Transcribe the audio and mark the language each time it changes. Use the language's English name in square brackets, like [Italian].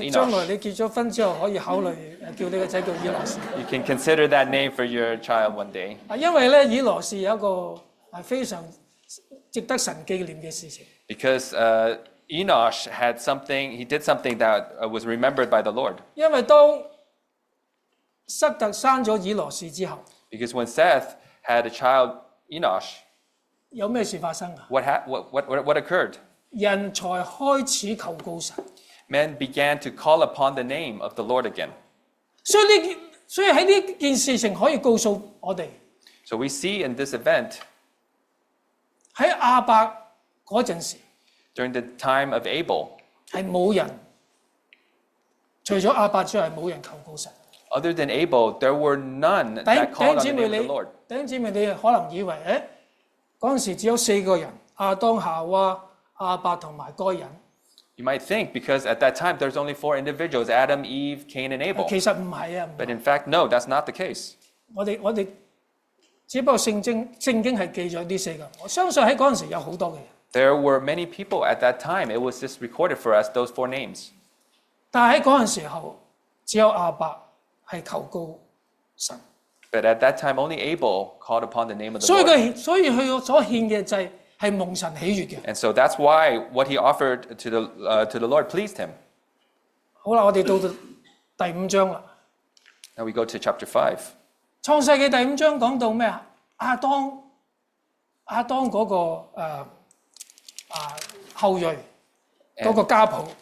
[Cantonese] 所以你將來你結咗婚之後，可以考慮叫呢個仔叫以諾士。 [English] You can consider that name for your child one day. [Cantonese] 因為咧，以諾士有一個非常值得神紀念嘅事情。 [English] Because Enosh had something, he did something that was remembered by the Lord. [Cantonese] 因為當塞特生咗以諾士之後 [English] ，Because when Seth had a child, Enosh. [Cantonese] 有咩事發生啊 [English] ？What occurred？ [Cantonese] 人才開始求告神。 [English] Men began to call upon the name of the Lord again。 [Cantonese] 所以喺呢件事情可以告訴我哋。 [English] So we see in this event。 [Cantonese] 喺亞伯嗰陣時。 [English] During the time of Abel。 [Cantonese] 係冇人，除咗亞伯之外，冇人求告神。 [English] Other than Abel, there were none that called on the name of the Lord。 [Cantonese] 弟兄姊妹，你可能以為嗰陣時只有四個人：亞當、夏娃、亞伯同埋該隱。 [English] You might think because at that time there's only four individuals: Adam, Eve, Cain, and Abel. [Cantonese] 其實唔係啊。 [English] But in fact, no, that's not the case. [Cantonese] 我哋只不過聖經係記咗呢四個。我相信喺嗰陣時有好多嘅人。 [English] There were many people at that time. It was just recorded for us those four names. [Cantonese] 但喺嗰陣時候，只有亞伯係求告神。 [English] But at that time, only Abel called upon the name of the Lord. [Cantonese] 所以佢所獻嘅祭係蒙神喜悅嘅。 [English] And so that's why what he offered to the Lord pleased him. [Cantonese] 好啦，我哋到第五章啦。 [English] Now we go to chapter 5. [Cantonese] 創世記第五章講到咩啊？亞當嗰個後裔嗰個家譜。